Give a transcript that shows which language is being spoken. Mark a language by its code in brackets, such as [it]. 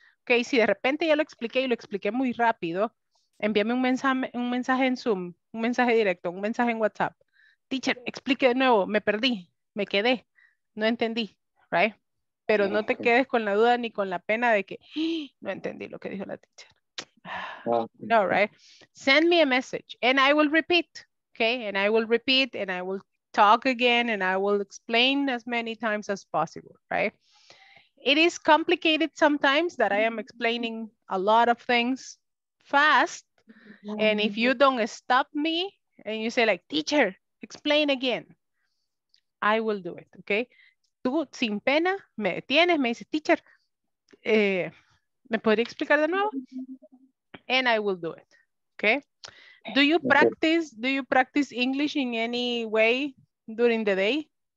[es] Okay, si de repente ya lo expliqué y lo expliqué muy rápido, envíame un mensaje en Zoom, un mensaje directo, un mensaje en WhatsApp. Teacher, explique de nuevo, me perdí, me quedé, no entendí, right? Pero no te quedes con la duda ni con la pena de que no entendí lo que dijo la teacher. No, right? [en] Send me a message and I will repeat, okay? And I will repeat and I will talk again and I will explain as many times as possible, right? It is complicated sometimes that I am explaining a lot of things fast. And if you don't stop me and you say like, teacher, explain again, I will do it, okay? [es] Tú sin pena me detienes, me dices, teacher, ¿me podría explicar de nuevo? [en] And I will do it, okay? Do you practice English in any way during the day?